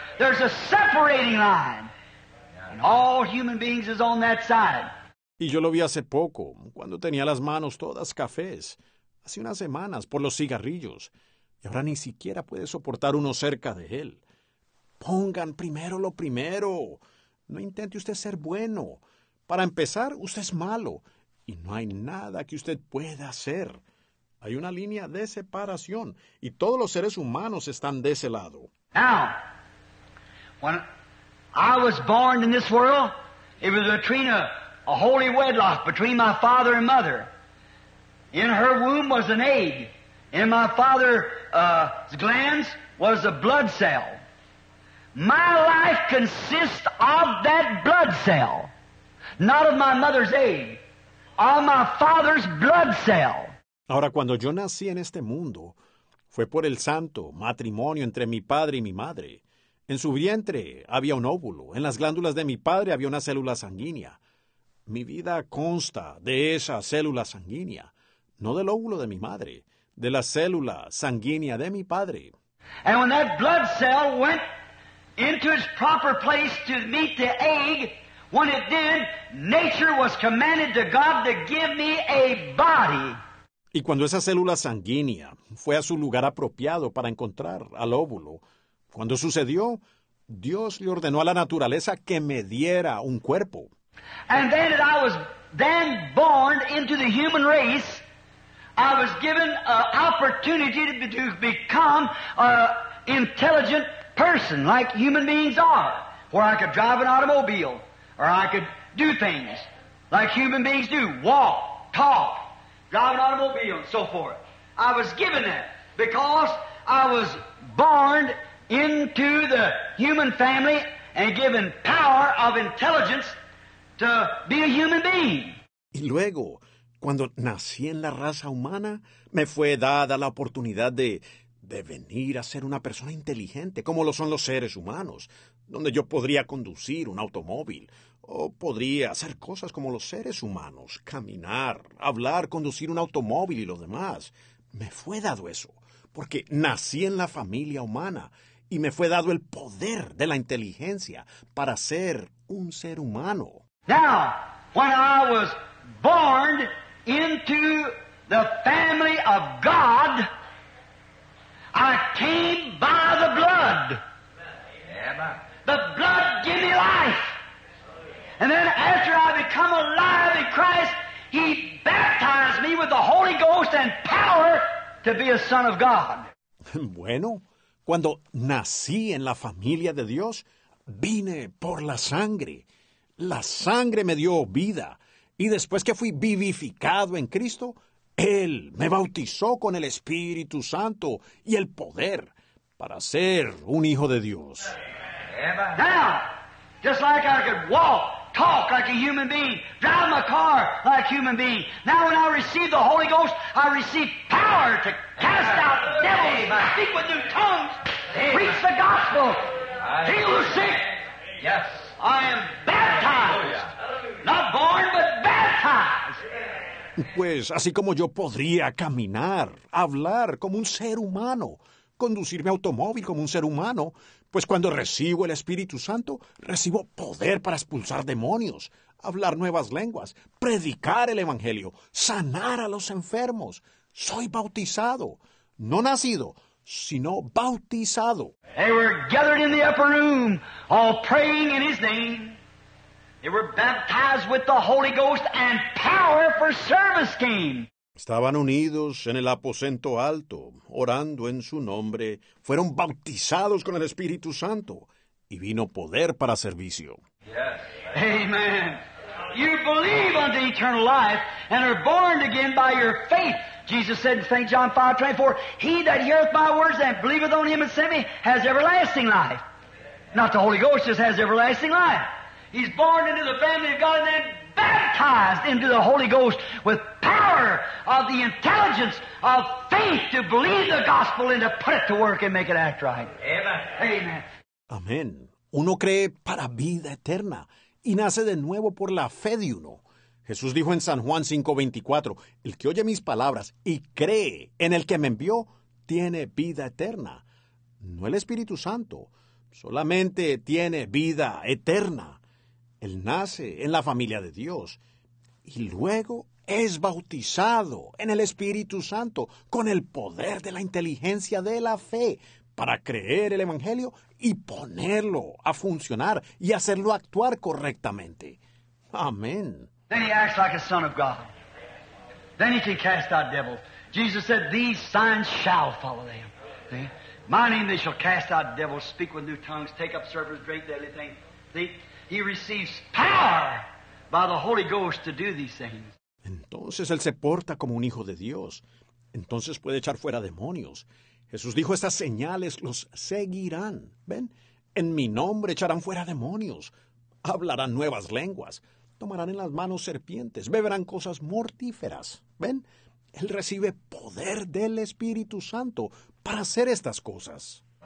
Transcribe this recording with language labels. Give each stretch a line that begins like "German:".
English: There's a separating line. And all human beings is on that side.
Spanish: Y yo lo vi hace poco, cuando tenía las manos todas cafés, hace unas semanas, por los cigarrillos. Y ahora ni siquiera puede soportar uno cerca de él. Pongan primero lo primero. No intente usted ser bueno. Para empezar, usted es malo. Y no hay nada que usted pueda hacer. Hay una línea de separación. Y todos los seres humanos están de ese lado.
English: Now, when I was born in this world, it was between a holy wedlock between my father and mother. In her womb was an egg. In my father's glands was a blood cell. My life consists of that blood cell, not of my mother's egg, of my father's blood cell.
Spanish: Ahora, cuando yo nací en este mundo, fue por el santo matrimonio entre mi padre y mi madre. En su vientre había un óvulo. En las glándulas de mi padre había una célula sanguínea. Mi vida consta de esa célula sanguínea, no del óvulo de mi madre, de la célula sanguínea de mi padre.
English: And when that blood cell went into its proper place to meet the egg, when it did, nature was commanded to God to give me a body.
Spanish: Y cuando esa célula sanguínea fue a su lugar apropiado para encontrar al óvulo, cuando sucedió, Dios le ordenó a la naturaleza que me diera un cuerpo.
English: And then that I was then born into the human race, I was given an opportunity to become an intelligent person like human beings are, where I could drive an automobile, or I could do things like human beings do, walk, talk, drive an automobile, and so forth. I was given that because I was born into the human family and given power of intelligence to be a human being.
Spanish: Y luego, cuando nací en la raza humana, me fue dada la oportunidad de venir a ser una persona inteligente, como lo son los seres humanos, donde yo podría conducir un automóvil, o podría hacer cosas como los seres humanos, caminar, hablar, conducir un automóvil y lo demás. Me fue dado eso, porque nací en la familia humana, y me fue dado el poder de la inteligencia para ser un ser humano.
English: Now, when I was born into the family of God. I came by the blood. The blood gave me life. And then after I become alive in Christ, He baptized me with the Holy Ghost and power to be a son of God.
Spanish: Bueno, cuando nací en la familia de Dios, vine por la sangre. La sangre me dio vida. Y después que fui vivificado en Cristo, Él me bautizó con el Espíritu Santo y el poder para ser un hijo de Dios.
English: Now, just like I could walk, talk like a human being, drive my car like a human being, now when I receive the Holy Ghost, I receive power to cast out devils, speak with new tongues, preach the gospel, heal the sick. Yes. I am baptized. Not born, but baptized.
Spanish: Pues así como yo podría caminar, hablar como un ser humano, conducir mi automóvil como un ser humano, pues cuando recibo el Espíritu Santo, recibo poder para expulsar demonios, hablar nuevas lenguas, predicar el Evangelio, sanar a los enfermos. Soy bautizado, no nacido, sino bautizado.
English: They were gathered in the upper room, all praying in His name. They were baptized with the Holy Ghost and power for service came.
Spanish: Estaban unidos en el aposento alto, orando en su nombre. Fueron bautizados con el Espíritu Santo y vino poder para servicio.
English: Yes. Amen. You believe unto eternal life and are born again by your faith. Jesus said in St. John 5:24, He that heareth my words and believeth on him that sent me has everlasting life. Not the Holy Ghost, just has everlasting life. He's born into the family of God and then baptized into the Holy Ghost with power of the intelligence of faith to believe the gospel and to put it to work and make it act right. Amen. Amen.
Spanish: Uno cree para vida eterna y nace de nuevo por la fe de uno. Jesús dijo en San Juan 5:24, el que oye mis palabras y cree en el que me envió, tiene vida eterna. No el Espíritu Santo, solamente tiene vida eterna. Él nace en la familia de Dios y luego es bautizado en el Espíritu Santo con el poder de la inteligencia de la fe para creer el Evangelio y ponerlo a funcionar y hacerlo actuar correctamente. Amén.
English: Then he acts like a son of God. Then he can cast out devils. Jesus said, these signs shall follow them. See? My name they shall cast out devils, speak with new tongues, take up serpents, drink deadly things. See? He receives power by the Holy Ghost to do these things.
Spanish: Entonces él se porta como un hijo de Dios. Entonces puede echar fuera demonios. Jesús dijo, estas señales los seguirán. Ven, en mi nombre echarán fuera demonios. Hablarán nuevas lenguas. Tomarán en las manos serpientes. Beberán cosas mortíferas. Ven, él recibe poder del Espíritu Santo para hacer estas cosas.